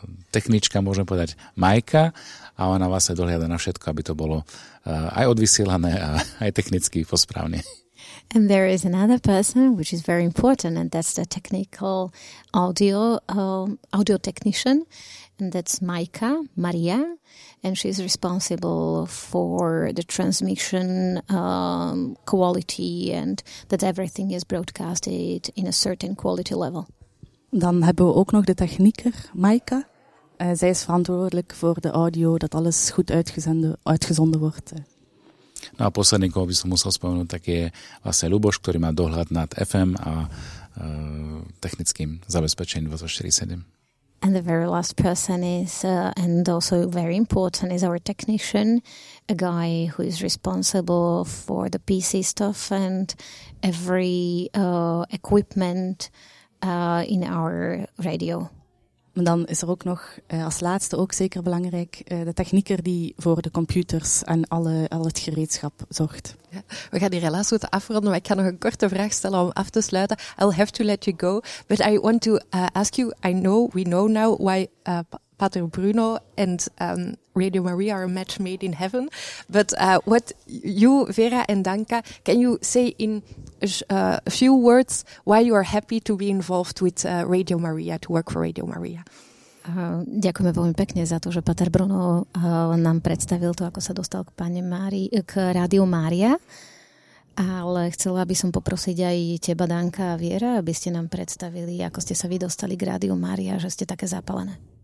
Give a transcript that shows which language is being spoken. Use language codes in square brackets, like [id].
[sk] technička, môžem povedať, Majka, a ona vlastne dohliada na všetko, aby to bolo aj odvysielané, a aj technicky posprávne. [en] And there is another person, which is very important, and that's the technical audio audio technician, and that's Maika, Maria, and she's responsible for the transmission quality and that everything is broadcasted in a certain quality level. [nl] Dan hebben we ook nog de technieker, Maika. Zij is verantwoordelijk voor de audio, dat alles goed uitgezonden wordt. [sk] No a posledný, koho by som musel spomenúť, tak je vlastne Ľuboš, ktorý má dohľad nad FM a technickým zabezpečením 24/7. [en] And the very last person is, and also very important, is our technician, a guy who is responsible for the PC stuff and every equipment in our radio. [nl] Maar dan is er ook nog als laatste ook zeker belangrijk de technieker die voor de computers en al het gereedschap zorgt. Ja, we gaan hier helaas moeten afronden, maar ik ga nog een korte vraag stellen om af te sluiten. [en] I'll have to let you go, but I want to ask you, we know now why Pater Bruno and Radio Maria are a match made in heaven, but what you, Vera and Danka, can you say in a few words why you are happy to be involved with Radio Maria, to work for Radio Maria? [sk] Ďakujeme veľmi pekne za to, že Pater Bruno nám predstavil to, ako sa dostal k Rádiu Mária. Ale chcela by som poprosiť aj teba, Danka a Viera, aby ste nám predstavili, ako ste sa vy dostali k Rádiu Mária, že ste také zapalené.